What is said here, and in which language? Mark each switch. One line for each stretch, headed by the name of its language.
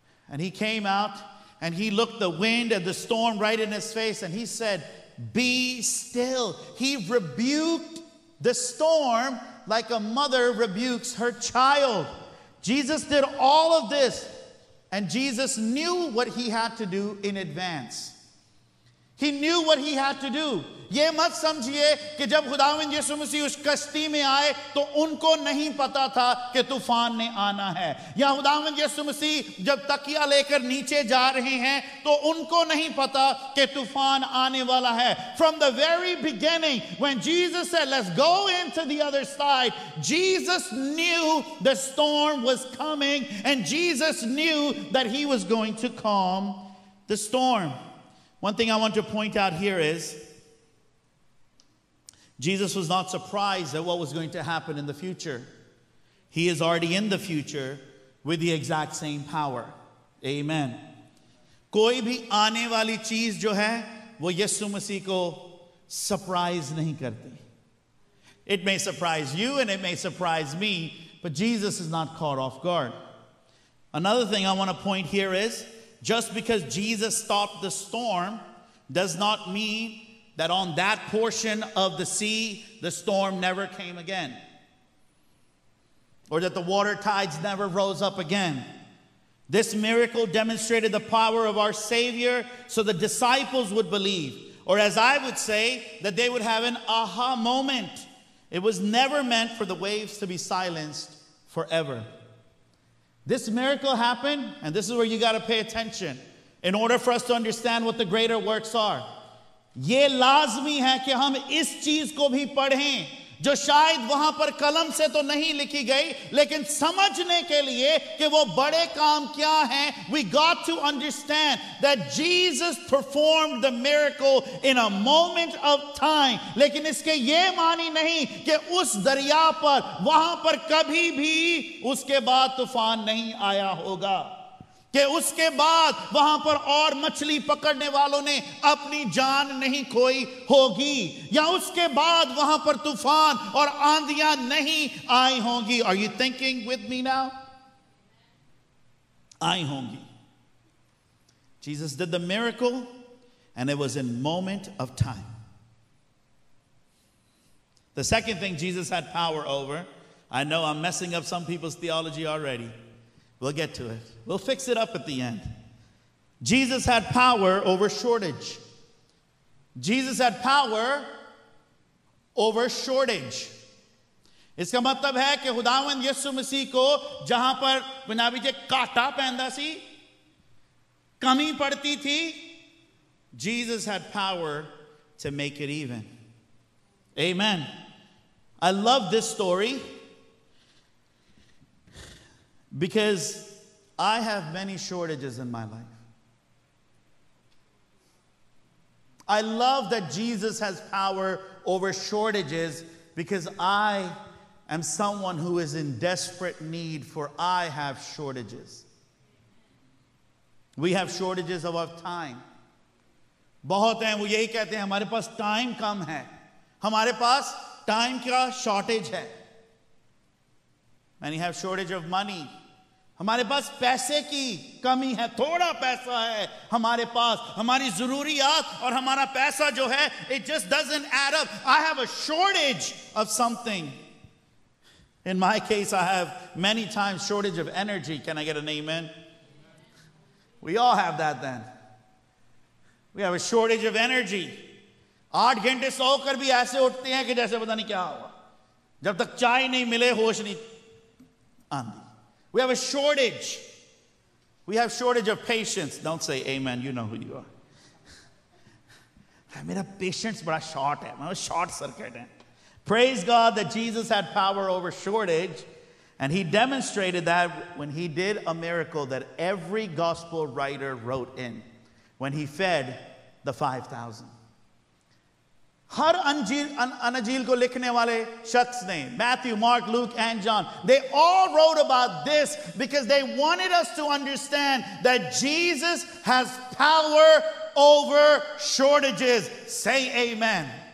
English: And he came out and he looked the wind and the storm right in his face and he said, "Be still." He rebuked the storm like a mother rebukes her child. Jesus did all of this and Jesus knew what he had to do in advance. He knew what he had to do.
Hindi: ये मत समझिए कि जब खुदावंद यीशु मसीह उस कश्ती में आए तो उनको नहीं पता था कि तूफान ने आना है, या खुदावंद यीशु मसीह जब तकिया लेकर नीचे जा रहे हैं तो उनको नहीं पता कि तूफान आने वाला है.
English: From the very beginning, when Jesus said, "Let's go into the other side," Jesus knew the storm was coming and Jesus knew that he was going to calm the storm. One thing I want to point out here is Jesus was not surprised at what was going to happen in the future. He is already in the future with the exact same power. Amen.
Hindi: कोई भी आने वाली चीज जो है वो यीशु मसीह को surprise नहीं करती.
English: It may surprise you and it may surprise me, but Jesus is not caught off guard. Another thing I want to point here is just because Jesus stopped the storm does not mean that on that portion of the sea, the storm never came again. Or that the water tides never rose up again. This miracle demonstrated the power of our Savior so the disciples would believe. Or as I would say, that they would have an aha moment. It was never meant for the waves to be silenced forever. This miracle happened, and this is where you got to pay attention in order for us to understand what the greater works are.
Hindi: ये लाज़मी है कि हम इस चीज को भी पढ़ें जो शायद वहां पर कलम से तो नहीं लिखी गई लेकिन समझने के लिए कि वो बड़े काम क्या हैं,
English: we got to understand that Jesus performed the miracle in a moment of time.
Hindi: लेकिन इसके ये मानी नहीं कि उस दरिया पर वहां पर कभी भी उसके बाद तूफान नहीं आया होगा, कि उसके बाद वहां पर और मछली पकड़ने वालों ने अपनी जान नहीं खोई होगी, या उसके बाद वहां पर तूफान और आंधियां नहीं आई होंगी.
English: Are you thinking with me now?
Hindi: आई होंगी.
English: Jesus did the miracle and it was in moment of time. The second thing Jesus had power over, I know I'm messing up some people's theology already. We'll get to it. We'll fix it up at the end. Jesus had power over shortage. Jesus had power over shortage.
Hindi: इसका मतलब है कि खुदावंद यीशु मसीह को जहां पर बनावी जे काटा पैंदा सी, कमी पड़ती थी,
English: Jesus had power to make it even. Amen. I love this story because I have many shortages in my life. I love that Jesus has power over shortages because I am someone who is in desperate need, for I have shortages. We have shortages of our time.
Hindi: बहुत हैं वो यही कहते हैं हमारे पास time कम है, हमारे पास time का shortage है.
English: Many have shortage of money.
Hindi: हमारे पास पैसे की कमी है, थोड़ा पैसा है हमारे पास, हमारी जरूरियात और हमारा पैसा जो है,
English: it just doesn't add up. I have a shortage of something. In my case, I have many times shortage of energy. Can I get an amen? We all have that then. We have a shortage of energy.
Hindi: 8 घंटे सोकर भी ऐसे उठते हैं कि जैसे पता नहीं क्या हुआ, जब तक चाय नहीं मिले होश नहीं आंधी.
English: We have a shortage. We have shortage of patience. Don't say amen. You know who you are. My patience is short. I'm a short circuit. Praise God that Jesus had power over shortage. And he demonstrated that when he did a miracle that every gospel writer wrote in. When he fed the 5,000.
Hindi: हर अंजील अनजील को लिखने वाले शख्स ने,
English: Matthew, Mark, Luke and John, they all wrote about this because they wanted us to understand that Jesus has power over shortages. Say amen.